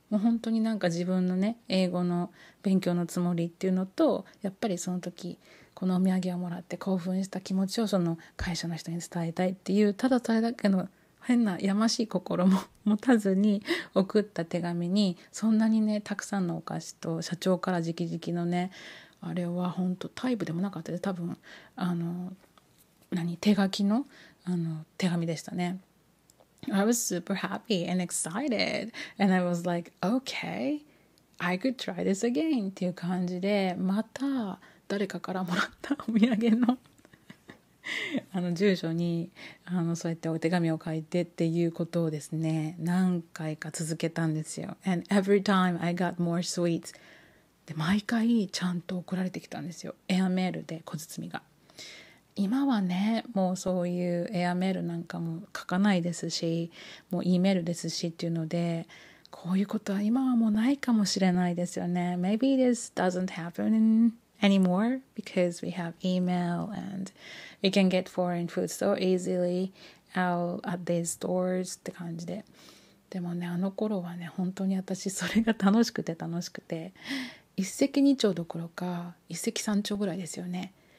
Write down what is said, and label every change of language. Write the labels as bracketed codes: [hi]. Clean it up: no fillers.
[ja] もう本当になんか自分のね英語の勉強のつもりっていうのとやっぱりその時このお土産をもらって興奮した気持ちをその会社の人に伝えたいっていうただそれだけの変なやましい心も持たずに送った手紙にそんなにねたくさんのお菓子と社長から直々のねあれは本当タイプでもなかったで多分あの何手書き の, あの手紙でしたね。 [en] I was super happy and excited and I was like, okay, I could try this again [ja] っていう感じでまた誰かからもらったお土産のあの住所にあのそうやってお手紙を書いてっていうことをですね何回か続けたんですよ。 [en] And every time I got more sweets [ja] で毎回ちゃんと送られてきたんですよ。エアメールで小包みが今はねもうそういうエアメールなんかも書かないですしもう E メールですしっていうのでこういうことは今はもうないかもしれないですよね。 [en] Maybe this doesn't happen in anymore because we have email and we can get foreign food so easily out at these stores [ja] って感じで。でもねあの頃はね本当に私それが楽しくて楽しくて一石二鳥どころか一石三鳥ぐらいですよね。